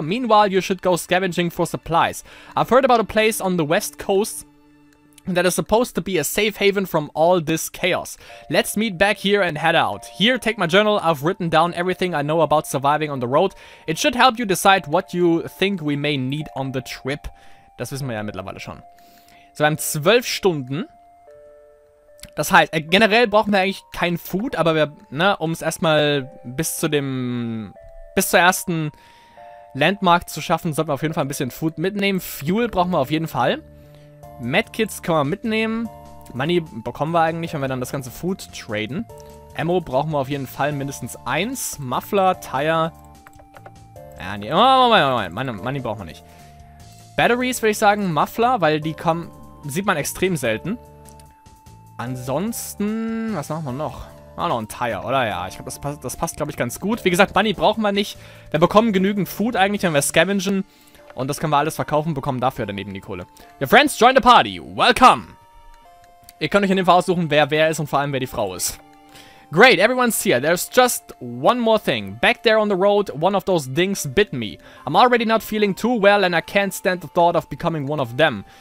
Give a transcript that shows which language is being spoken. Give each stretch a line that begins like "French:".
English: Meanwhile, you should go scavenging for supplies. I've heard about a place on the west coast that is supposed to be a safe haven from all this chaos. Let's meet back here and head out. Here, take my journal. I've written down everything I know about surviving on the road. It should help you decide what you think we may need on the trip.
German: Das wissen wir ja mittlerweile schon. So, wir haben 12 Stunden. Das heißt, generell brauchen wir eigentlich kein Food, aber wir, ne, um es erstmal bis zur ersten Landmark zu schaffen, sollten wir auf jeden Fall ein bisschen Food mitnehmen. Fuel brauchen wir auf jeden Fall. Medkits können wir mitnehmen. Money bekommen wir eigentlich, wenn wir dann das ganze Food traden. Ammo brauchen wir auf jeden Fall mindestens eins. Muffler, Tire. Ja, nee. Moment. Money brauchen wir nicht. Batteries würde ich sagen, Muffler, weil die kommen, sieht man extrem selten. Ansonsten, was machen wir noch? Ah, noch ein Tire, oder? Ja, ich glaube, das passt, glaube ich, ganz gut. Wie gesagt, Bunny brauchen wir nicht. Wir bekommen genügend Food eigentlich, wenn wir scavengen. Und das können wir alles verkaufen, bekommen dafür daneben die Kohle.
English: Your friends, join the party. Welcome.
German: Ihr könnt euch in dem Fall aussuchen, wer ist und vor allem, wer die Frau ist.
English: Great, everyone's here. There's just one more thing. Back there on the road, one of those things bit me. I'm already not feeling too well and I can't stand the thought of becoming one of them.